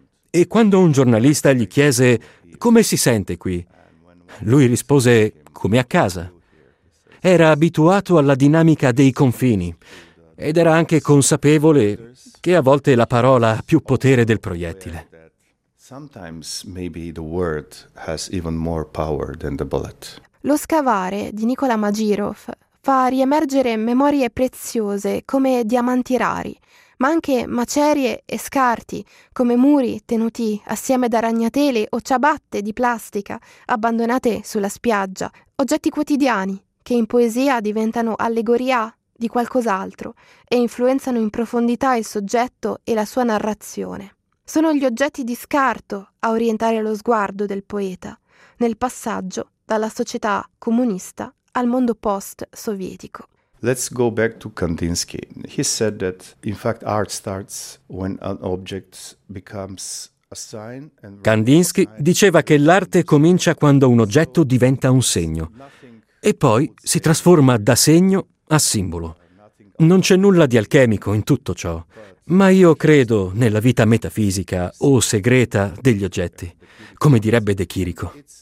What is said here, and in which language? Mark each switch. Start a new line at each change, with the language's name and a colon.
Italian: E quando un giornalista gli chiese come si sente qui, lui rispose come a casa. Era abituato alla dinamica dei confini ed era anche consapevole che a volte la parola ha più potere del proiettile.
English: Sometimes maybe the word has even more power than the bullet.
Italian: Lo scavare di Nicola Magirov fa riemergere memorie preziose come diamanti rari, ma anche macerie e scarti come muri tenuti assieme da ragnatele o ciabatte di plastica abbandonate sulla spiaggia, oggetti quotidiani che in poesia diventano allegoria di qualcos'altro e influenzano in profondità il soggetto e la sua narrazione. Sono gli oggetti di scarto a orientare lo sguardo del poeta nel passaggio dalla società comunista al mondo post-sovietico.
English: Let's go back to Kandinsky. He said that in fact art starts when an object becomes a sign.
Italian: Kandinsky diceva che l'arte comincia quando un oggetto diventa un segno e poi si trasforma da segno a simbolo. Non c'è nulla di alchemico in tutto ciò, ma io credo nella vita metafisica o segreta degli oggetti, come direbbe De Chirico.